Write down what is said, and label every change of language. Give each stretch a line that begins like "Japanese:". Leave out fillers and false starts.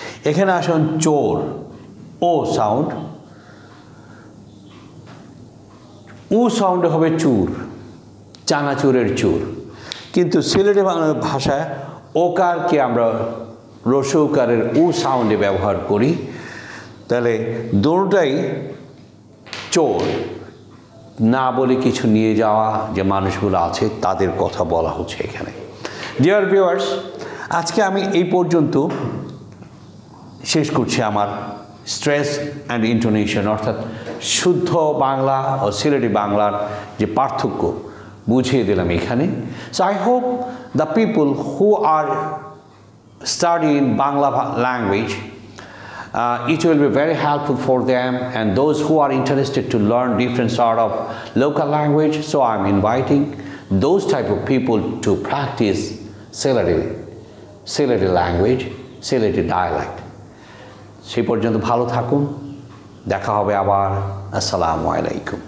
Bangla: এখানে আসুন চোর, ও সাউন্ড, উ সাউন্ডে হবে চুর, চানাচুরের চুর, কিন্তু সিলেটি বাংলা ভাষায় ওকারকে আমরা রসৌকারের উ সাউন্ডে ব্যবহার করি, তাহলে দুটোই চোর, না বলে কিছু নিয়ে যাওয়া যে মানুষগুলো আছে তাদের কথা বলা হচ্ছে এখানে। ডিয়ার ভিউয়ার্স, আজকে আমি এই পর্যন্ত শেষ করছি আমার স্ট্রেস অ্যান্ড ইন্টোনেশন অর্থাৎ শুদ্ধ বাংলা ও সিলেটি বাংলার যে পার্থক্য বুঝিয়ে দিলাম এখানে।
English: So I hope the people who are study in Bangla language it will be very helpful for them and those who are interested to learn different sort of local language. So I'm inviting those type of people to practice Sylheti language, Sylheti dialect.
Bangla: সেই পর্যন্ত ভালো থাকুন, দেখা হবে আবার, আসসালামু আলাইকুম।